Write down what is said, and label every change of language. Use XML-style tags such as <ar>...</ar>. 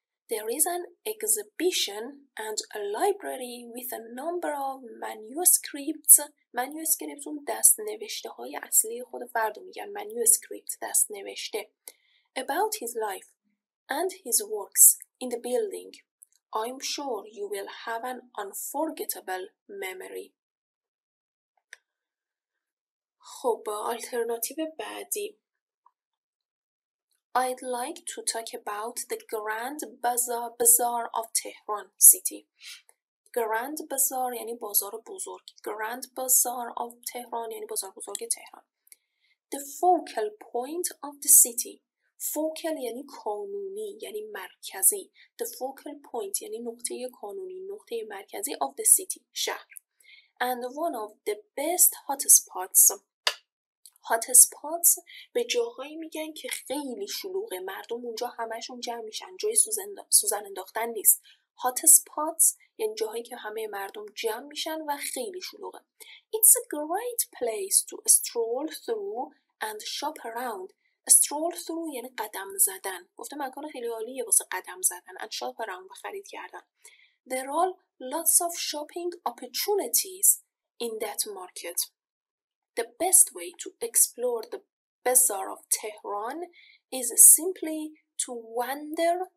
<en>There is an exhibition and a library with a number of manuscripts.</en> <fa>Manuscripts اون دست نوشته های اصلی خود فرد میگن.</fa> <en>Manuscript</en> <fa>دست نوشته.</fa> <en>About his life and his works. In the building, I'm sure you will have an unforgettable memory.</en> <fa>خب، آلترناتیو بعدی.</fa> <en>I'd like to talk about the Grand Bazaar of Tehran City.</en> <fa>Grand Bazaar یعنی بازار بزرگ. Grand Bazaar of Tehran یعنی بازار بزرگ تهران.</fa> <en>The focal point of the city.</en> <fa>Focal یعنی کانونی، یعنی مرکزی. The focal point یعنی نقطه کانونی، نقطه مرکزی</fa> <en>of the city،</en> <fa>شهر.</fa> <en>And one of the best hotspots.</en> <fa>Hotspots به جاهایی میگن که خیلی شلوغه، مردم اونجا همهشون جمع میشن، جای سوزن انداختن نیست. Hotspots یعنی جاهایی که همه مردم جمع میشن و خیلی شلوغه.</fa> <en>It's a great place to stroll through and shop around.</en> <fa>Stroll through یعنی قدم زدن. گفته مکان خیلی عالیه واسه قدم زدن.</fa> <en>And shop around</en> <fa>و خرید کردن.</fa> <en>There are lots of shopping opportunities in that market. The best way to explore the bazaar of Tehran is simply to wander.</en>